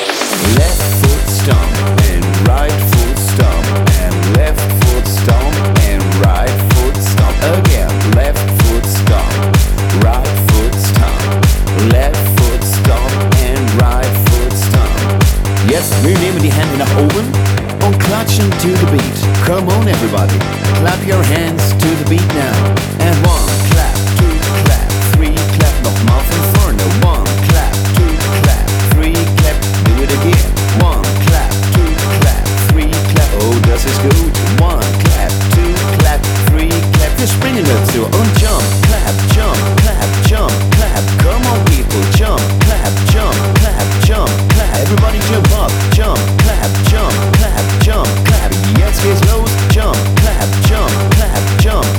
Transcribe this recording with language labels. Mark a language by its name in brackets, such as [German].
[English] Left foot stomp and right foot stomp and left foot stomp and right foot stomp again. Left foot stomp, right foot stomp, left foot stomp and right foot. [German] Jetzt, wir nehmen die Hände nach oben und klatschen [English] to the beat. Come on everybody, clap your hands to the beat now. And one, clap, two, clap, three, clap, [German] nochmal von vorne. [English] One, clap, two, clap, three, clap, do it again. One, clap, two, clap, three, clap, [German] oh das ist gut. [English] One, clap, two, clap, three, clap, [German] wir springen dazu und [English] jump. Clap, jump, clap, jump, clap, come on people, jump. Clap, jump, clap, jump. Everybody jump up, jump, clap, jump, clap, jump, clap. Yes, here's those, jump, clap, jump, clap, jump.